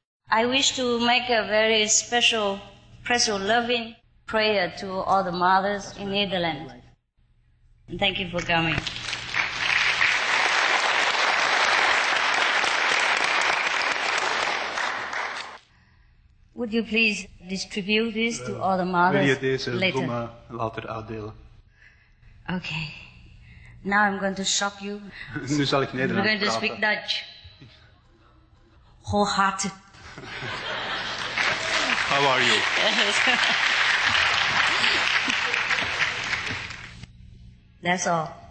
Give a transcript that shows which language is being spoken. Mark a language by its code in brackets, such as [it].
[en] I wish to make a very special loving prayer to all the mothers in Netherlands. And thank you for coming. Would you please distribute this to all the mothers later? [nl] Wil je deze bloemen later uitdelen? [en] Okay. Now I'm going to shock you. [nl] Nu zal ik Nederlands. [en] I'm going to speak Dutch. Wholehearted. How are you? That's all.